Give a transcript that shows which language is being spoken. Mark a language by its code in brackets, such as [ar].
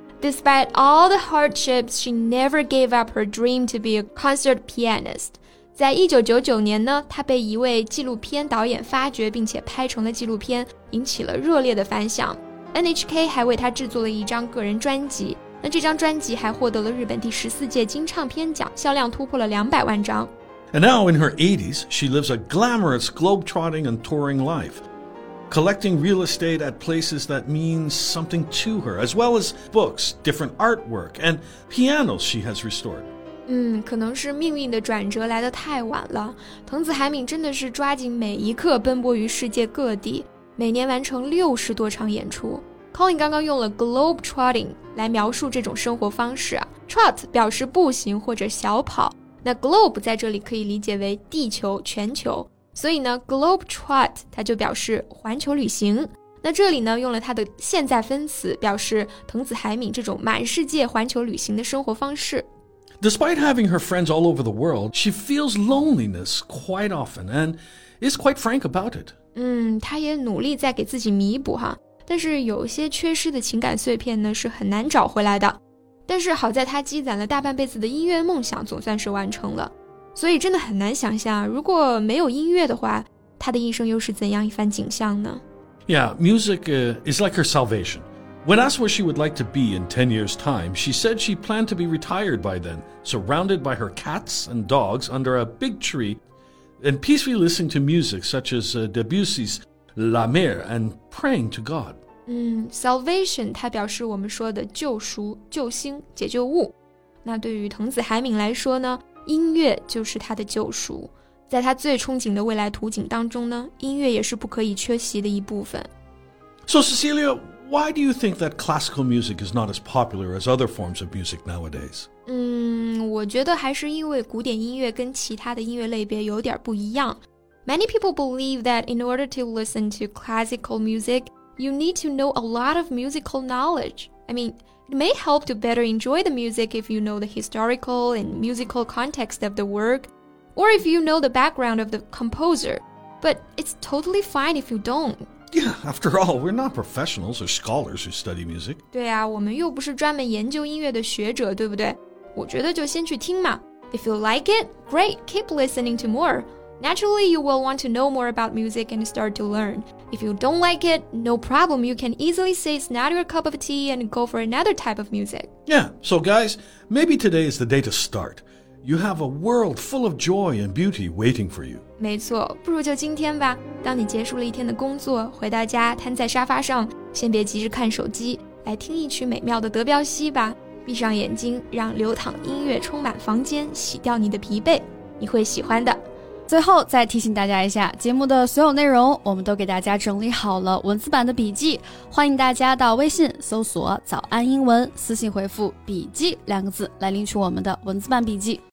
[en] Despite all the hardships, she never gave up her dream to be a concert pianist. [zh] 在1999年呢，他被一位纪录片导演发掘，并且拍成了纪录片，引起了热烈的反响。 NHK 还为他制作了一张个人专辑，那这张专辑还获得了日本第14届金唱片奖，销量突破了200万张。 [en] And now in her 80s, she lives a glamorous globe-trotting and touring life, collecting real estate at places that means something to her, as well as books, different artwork, and pianos she has restored. [zh] 可能是命运的转折来得太晚了。藤子海敏真的是抓紧每一刻奔波于世界各地，每年完成60多场演出。 Colin 刚刚用了 globetrotting 来描述这种生活方式。 Trot 表示步行或者小跑，那 globe 在这里可以理解为地球、全球。所以呢 globetrot 它就表示环球旅行。那这里呢用了它的现在分词表示藤子海敏这种满世界环球旅行的生活方式。 [en] Despite having her friends all over the world, she feels loneliness quite often and is quite frank about it. [zh] 她也努力在给自己弥补哈，但是有些缺失的情感碎片呢是很难找回来的。但是好在她积攒了大半辈子的音乐梦想总算是完成了。所以真的很难想象，如果没有音乐的话，她的一生又是怎样一番景象呢？ [en] Yeah, music is like her salvation. When asked where she would like to be in 10 years' time, she said she planned to be retired by then, surrounded by her cats and dogs under a big tree, and peacefully listening to music such as Debussy's La Mer and praying to God. [zh] Salvation, 它表示我们说的救赎、救星、解救物。那对于藤子海敏来说呢，音乐就是他的救赎。在他最憧憬的未来图景当中呢，音乐也是不可以缺席的一部分。 [en] So, Cecilia... Why do you think that classical music is not as popular as other forms of music nowadays? [zh] 我觉得还是因为古典音乐跟其他的音乐类别有点不一样。 [en] Many people believe that in order to listen to classical music, you need to know a lot of musical knowledge. I mean, it may help to better enjoy the music if you know the historical and musical context of the work, or if you know the background of the composer. But it's totally fine if you don't. Yeah, after all, we're not professionals or scholars who study music. [zh] 对啊，我们又不是专门研究音乐的学者，对不对？我觉得就先去听嘛。 [en] If you like it, great, keep listening to more. Naturally, you will want to know more about music and start to learn. If you don't like it, no problem, you can easily say it's not your cup of tea and go for another type of music. Yeah, so guys, maybe today is the day to start. You have a world full of joy and beauty waiting for you. [zh] 没错，不如就今天吧。当你结束了一天的工作，回到家，瘫在沙发上，先别急着看手机，来听一曲美妙的德彪西吧。闭上眼睛，让流淌音乐充满房间，洗掉你的疲惫，你会喜欢的。最后再提醒大家一下，节目的所有内容我们都给大家整理好了文字版的笔记，欢迎大家到微信搜索早安英文，私信回复笔记两个字来领取我们的文字版笔记。